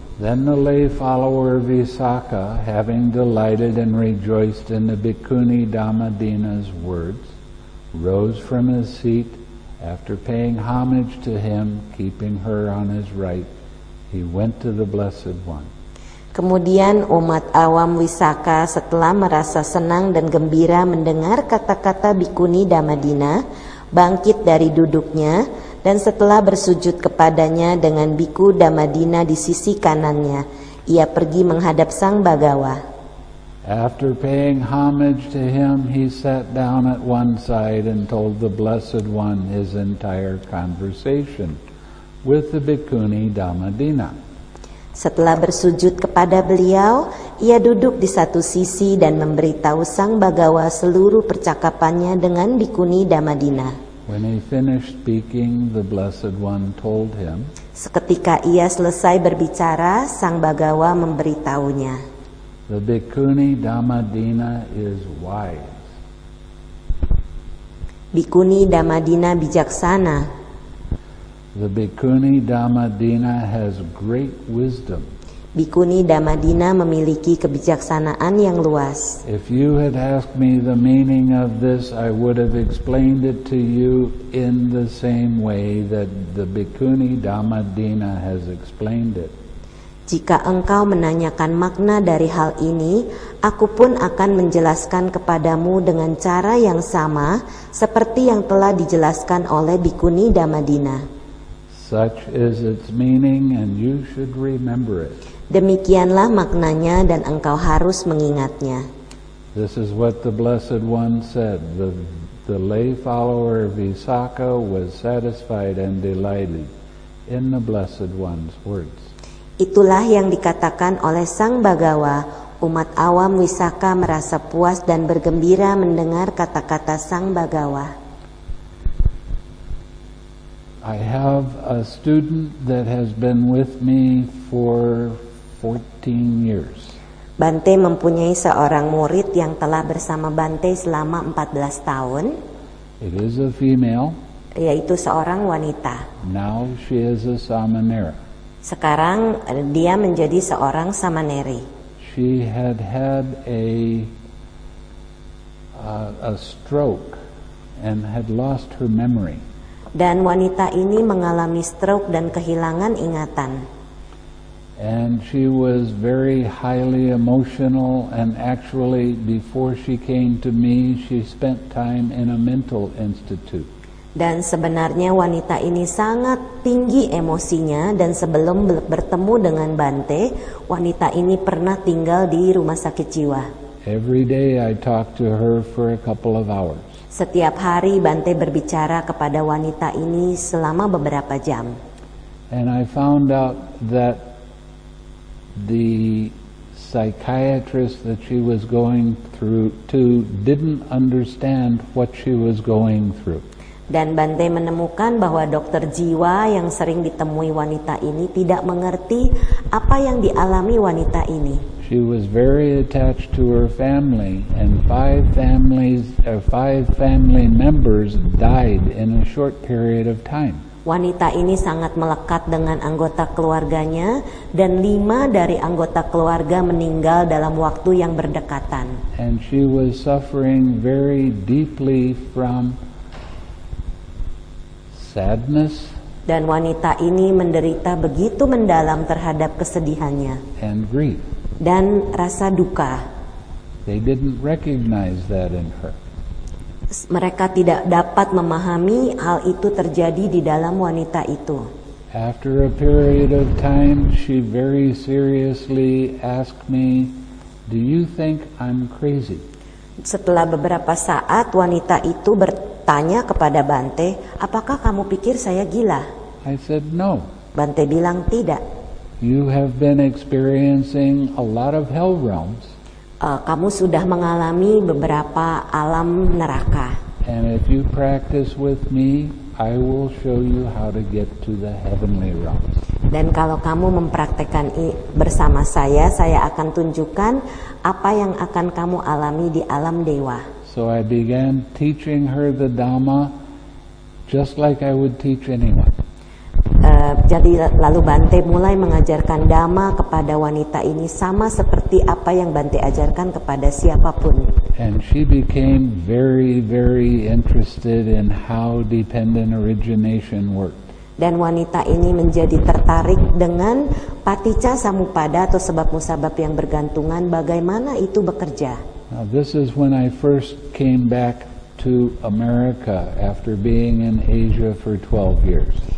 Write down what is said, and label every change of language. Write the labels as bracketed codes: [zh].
[en] Then the lay follower Visakha, having delighted and rejoiced in the Bhikkhuni Dhammadina's words, rose from his seat. After paying homage to him, keeping her on his right, he went to the Blessed One. [id] Kemudian umat awam Visakha setelah merasa senang dan gembira mendengar kata-kata Bhikkhuni Dhammadina, bangkit dari duduknya, dan setelah bersujud kepadanya dengan Bhikkhu Dhammadina di sisi kanannya, ia pergi menghadap Sang Bhagawa. [en] After paying homage to him, he sat down at one side and told the Blessed One his entire conversation with the Bhikkhuni Dhammadina. [id] Setelah bersujud kepada beliau, ia duduk di satu sisi dan memberitahu Sang Bhagawa seluruh percakapannya dengan Bhikkhuni Dhammadina. [en] When he finished speaking, the Blessed One told him. [id] Seketika ia selesai berbicara, Sang Bhagawa memberitahunya. [en] The Bhikkhuni Dhammadina is wise. [id] Bhikkhuni Dhammadina bijaksana. [en] The Bhikkhuni Dhammadina has great wisdom. [id] Bhikkhuni Dhammadina memiliki kebijaksanaan yang luas. [en] If you had asked me the meaning of this, I would have explained it to you in the same way that the Bhikkhuni Dhammadina has explained it. [id] Jika engkau menanyakan makna dari hal ini, aku pun akan menjelaskan kepadamu dengan cara yang sama seperti yang telah dijelaskan oleh Bhikkhuni Dhammadina. [en] Such is its meaning, and you should remember it. [id] Demikianlah maknanya dan engkau harus mengingatnya. [en] This is what the Blessed One said. The lay follower Visakha was satisfied and delighted in the Blessed One's words. [id] Itulah yang dikatakan oleh Sang Bhagawa, umat awam Visakha merasa puas dan bergembira mendengar kata-kata Sang Bhagawa. [en] I have a student that has been with me for 14 years. [id] Bante mempunyai seorang murid yang telah bersama Bante selama 14 tahun. [en] It is a female. [id] Yaitu seorang wanita. [en] Now she is a samanera. [id] Sekarang dia menjadi seorang samaneri. [en] She had had a stroke and had lost her memory. [id] Dan wanita ini mengalami stroke dan kehilangan ingatan. [en] And she was very highly emotional, and actually before she came to me, she spent time in a mental institute. [id] Dan sebenarnya wanita ini sangat tinggi emosinya, dan sebelum bertemu dengan Bante, wanita ini pernah tinggal di rumah sakit jiwa. [en] Every day I talk to her for a couple of hours. [id] Setiap hari Bante berbicara kepada wanita ini selama beberapa jam. [en] And I found out that the psychiatrist that she was going through to didn't understand what she was going through. [id] Dan Bante menemukan bahwa dokter jiwa yang sering ditemui wanita ini tidak mengerti apa yang dialami wanita ini. [en] She was very attached to her family, and five family members died in a short period of time. [id] Wanita ini sangat melekat dengan anggota keluarganya, dan 5 dari anggota keluarga meninggal dalam waktu yang berdekatan. [en] And she was suffering very deeply from sadness. [id] Dan wanita ini menderita begitu mendalam terhadap kesedihannya. [en] And grief. [id] Dan rasa duka. [en] They didn't recognize that in her. [id] Mereka tidak dapat memahami hal itu terjadi di dalam wanita itu. [en] After a period of time, she very seriously asked me, "Do you think I'm crazy?" [id] Setelah beberapa saat, wanita itu bertanya kepada Bante, "Apakah kamu pikir saya gila?" [en] I said, "No." [id] Bante bilang, "Tidak." [en] You have been experiencing a lot of hell realms. [id] Kamu sudah mengalami beberapa alam neraka. [en] And if you practice with me, I will show you how to get to the heavenly realms. [id] Dan kalau kamu mempraktekkan bersama saya akan tunjukkan apa yang akan kamu alami di alam dewa. [en] So I began teaching her the Dhamma, just like I would teach anyone. [id] Jadi lalu Bante mulai mengajarkan dhamma kepada wanita ini sama seperti apa yang Bante ajarkan kepada siapapun. [en] And she became very, very interested in how dependent origination worked. [id] Dan wanita ini menjadi tertarik dengan paticca samuppada atau sebab musabab yang bergantungan, bagaimana itu bekerja. [en] Now this is when I first came back to America after being in Asia for 12 years.